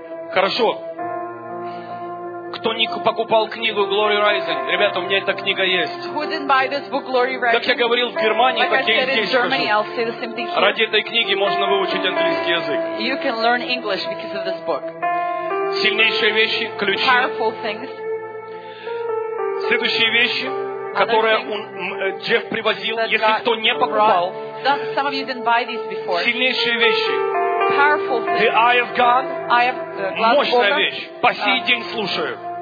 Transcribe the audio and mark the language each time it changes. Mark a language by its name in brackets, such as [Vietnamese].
[Russian] Хорошо. Кто не покупал книгу Glory Rising? Ребята, у меня эта книга есть. [English] Book, [Russian] как я говорил в Германии, [English] like [Russian] так я и здесь [English] Germany, [Russian] скажу. Ради этой книги можно выучить английский язык. [English] You can learn English because of this book. [Russian] Сильнейшие вещи, ключи. [English] Powerful things. [Russian] Следующие вещи, которые Джефф привозил, если кто не покупал. [English] Some of you didn't buy these before. [Russian] Сильнейшие вещи. [English] Powerful thing. The eye of God. Eye of [Russian] God. Мощная вещь. По сей день слушаю.